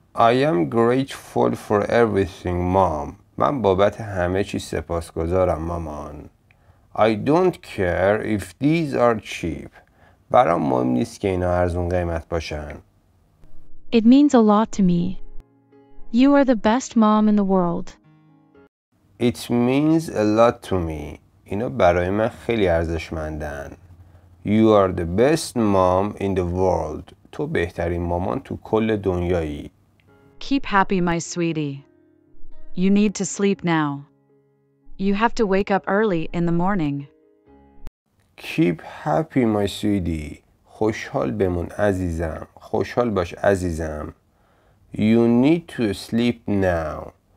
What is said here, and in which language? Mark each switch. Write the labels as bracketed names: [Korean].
[English] I am grateful for everything, Mom. [Persian] من بابت همه چی سپاسگزارم مامان. [English] I don't care if these are cheap. [Persian] برام مهم نیست که اینا ارزون قیمت باشن. [English] It means a lot to me. You are the best mom in the world. It means a lot to me. [Persian] اینا برای من خیلی ارزشمندن. [English] You are the best mom in the world. [Persian] تو بهترین مامان تو کل دنیایی. [English] Keep happy, my sweetie. You need to sleep now. You have to wake up early in the morning. Keep happy, my sweetie. [Persian] خوشحال بمون عزیزم. خوشحال باش عزیزم. [English] You need to sleep now.